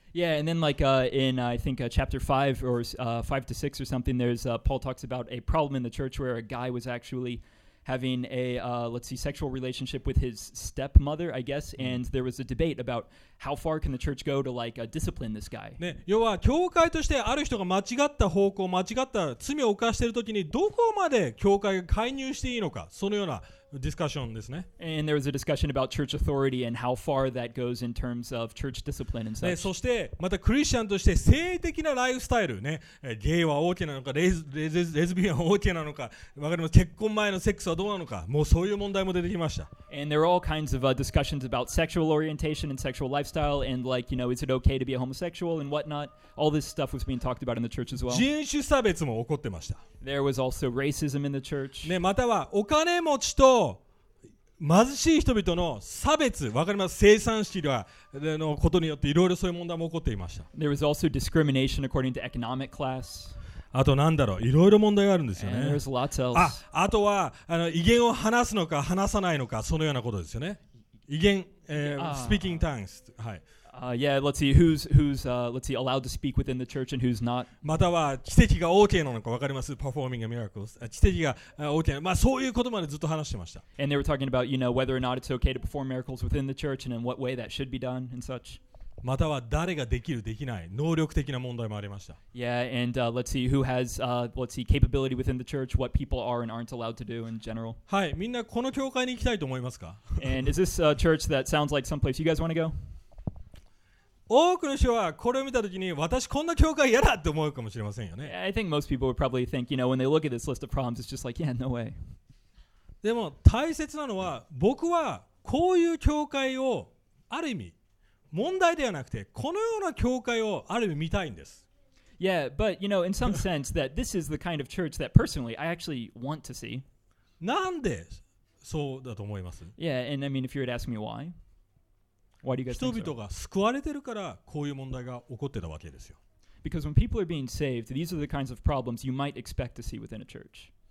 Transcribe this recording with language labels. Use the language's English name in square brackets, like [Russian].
[English] Yeah, and then like in I think chapter 5 or 5 to 6 or something, there's Paul talks about a problem in the church where a guy was actually having a sexual relationship with his stepmother, I guess, and there was a debate about how far can the church go to like discipline this guy? [Japanese] ね、要は教会としてある人が間違った方向、間違った罪を犯しているときにどこまで教会が介入していいのか、そのようなDiscussion ですね。 [English] And there was a discussion about church authority and how far that goes in terms of church discipline and such. [Japanese] ね、そしてまたクリスチャンとして性的なライフスタイルね、ゲイは OK なのか、レズビアンは OK なのか、わかります。結婚前のセックスはどうなのか、もうそういう問題も出てきました。 [English] And there are all kinds of discussions about sexual orientation and sexual lifestyle and like you know is it okay to be a homosexual and whatnot. All this stuff was being talked about in the church as well. [Japanese] 人種差別も起こってました。 [English] There was also racism in the church. [Japanese] ね、またはお金持ちと貧しい人々の差別、わかります、生産式のことによっていろいろそういう問題も起こっていました。 [English] There was also discrimination according to economic class. [Japanese] あと何だろう、いろいろ問題があるんですよね。 [English] And there's lots else. [Japanese] あとは威厳を話すのか話さないのか、そのようなことですよね。威厳、 [English] speaking tongues、 [Japanese] はい。 [English] Yeah, let's see who's allowed to speak within the church and who's not. [Japanese] または奇跡が OK なのかわかります [English] Performing a miracles. [Japanese] 奇跡が OK なのか、まあ、そういうことまでずっと話してました。 [English] And they were talking about, you know, whether or not it's okay to perform miracles within the church and in what way that should be done and such. [Japanese] または誰ができる、できない、能力的な問題もありました。 [English] Yeah, and let's see who has, let's see, capability within the church, what people are and aren't allowed to do in general. [Japanese] はい、みんなこの教会に行きたいと思いますか [English] And is this a church that sounds like someplace you guys want to go? [Japanese] 多くの人はこれを見たときに私こんな教会嫌だと思うかもしれませんよね。 [English] I think most people would probably think, you know, when they look at this list of problems, it's just like, yeah, no way. [Japanese] でも大切なのは僕はこういう教会をある意味問題ではなくてこのような教会をある意味見たいんです。 [English] Yeah, but you know, in some sense, that this is the kind of church that personally I actually want to see. [Japanese] なんでそうだと思います? [English] Yeah, and I mean, if you were to ask me why. [Japanese] 人々が救われてるからこういう問題が起こってたわけですよ。 [English] Because when people are being saved, these are the kinds of problems you might expect to see within a church.